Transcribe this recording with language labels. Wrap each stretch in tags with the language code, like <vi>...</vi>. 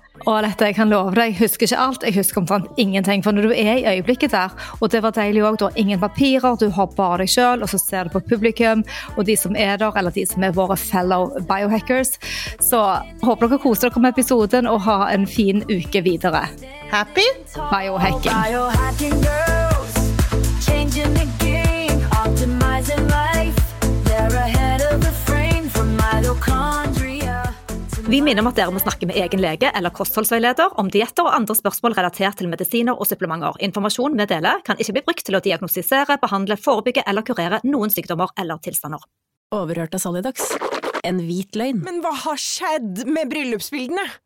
<no>Og dette, jeg kan love deg, jeg husker ikke alt, jeg husker omtrent ingenting, for når du i øyeblikket der, og det var deilig også, du har ingen papirer, du har bare deg selv, og så ser du på publikum, og de som der, eller de som våre</no> <en>fellow biohackers.</en> <no>Så håper dere koser dere med episoden, og ha en fin uke videre.</no> <en>Happy biohacking! Biohacking girls, changing the game, optimizing life, they're ahead of the frame from mitochondria.</en> <no>Vi minner om at dere må snakke med egen lege eller kostholdsveileder om dietter og andre spørsmål relatert til medisiner og supplementer. Informasjon med dele kan ikke bli brukt til å diagnostisere, behandle, forebygge eller kurere noen sykdommer eller tilstander. Overhørte Solidaks. En hvit løgn. Men hva har skjedd med bryllupsbildene?</no>